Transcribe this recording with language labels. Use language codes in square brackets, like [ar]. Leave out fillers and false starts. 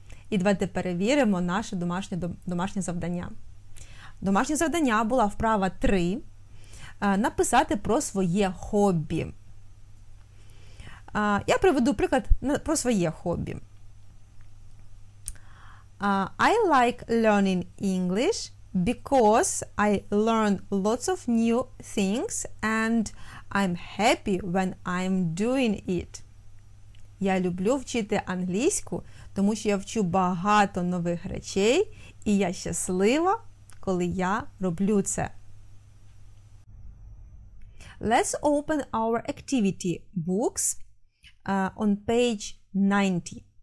[uk] І давайте перевіримо наше домашнє завдання. Домашнє завдання була вправа 3. Написати про своє хобі. Я приведу приклад про своє хобі. [en] I like learning English because I learn lots of new things and I'm happy when I'm doing it. [uk] Я люблю вчити англійську, тому що я вчу багато нових речей і я щаслива, коли я роблю це. [en] Let's open our activity books on page 90.